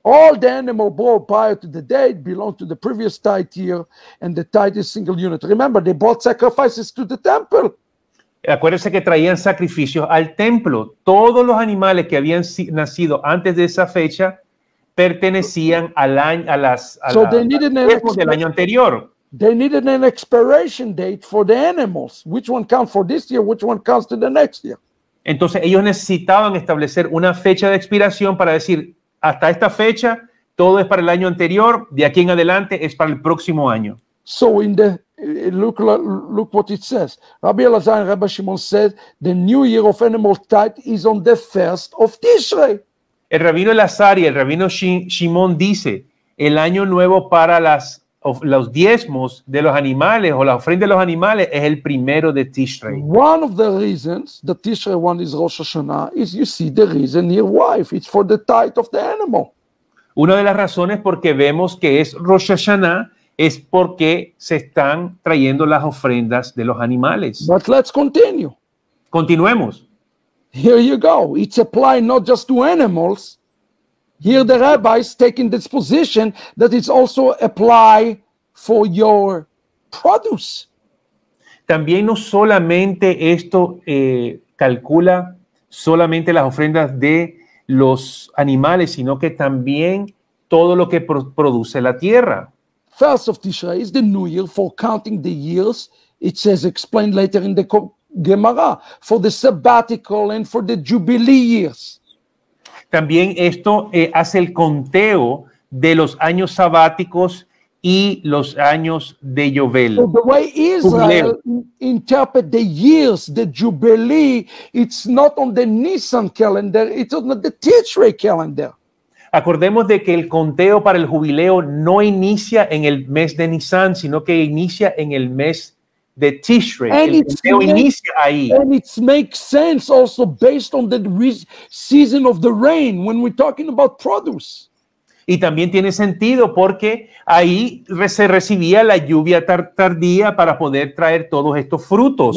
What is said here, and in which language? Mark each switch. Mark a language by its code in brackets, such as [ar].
[en] All the animal brought prior to the day belong to the previous tithe year, and the tithe is single unit. Remember, they brought sacrifices to the temple. [es] Acuérdense que traían sacrificios al templo. Todos los animales que habían nacido antes de esa fecha pertenecían al año, a las fiestas del año anterior. [en] They needed an expiration date for the animals. Which one counts for this year? Which one counts to the next year? [es] Entonces ellos necesitaban establecer una fecha de expiración para decir hasta esta fecha todo es para el año anterior. De aquí en adelante es para el próximo año. [en] So in the look what it says. Rabbi Elazar and Rabbi Shimon said the new year of animal tithe is on the first of Tishrei. [es] El rabino Elazar y el rabino Shimon dice, el año nuevo para los diezmos de los animales o la ofrenda de los animales es el primero de Tishrei. [en] One of the reasons that Tishrei 1 is Rosh Hashanah is you see the reason here why. It's for the tithe of the animal. [es] Una de las razones porque vemos que es Rosh Hashanah es porque se están trayendo las ofrendas de los animales. [en] But let's continue. [es] Continuemos. [en] Here you go. It's applied not just to animals. Here the rabbi is taking this position that it's also apply for your produce. [es] También no solamente esto calcula solamente las ofrendas de los animales, sino que también todo lo que produce la tierra. [en] First of Tishrei is the new year for counting the years. It says explained later in the Gemara, for the sabbatical and for the jubilee years. [es] También esto hace el conteo de los años sabáticos y los años de Yovel. [en] So the way Israel interpret the years, the jubilee, it's not on the Nisan calendar, it's on the Tishrei calendar. [es] Acordemos de que el conteo para el jubileo no inicia en el mes de Nisan, sino que inicia en el mes de Tishrei. [en] And [es] el conteo inicia ahí. [en] And it makes sense also based on the season of the rain when we're talking about produce. [es] Y también tiene sentido porque ahí se recibía la lluvia tardía para poder traer todos estos frutos.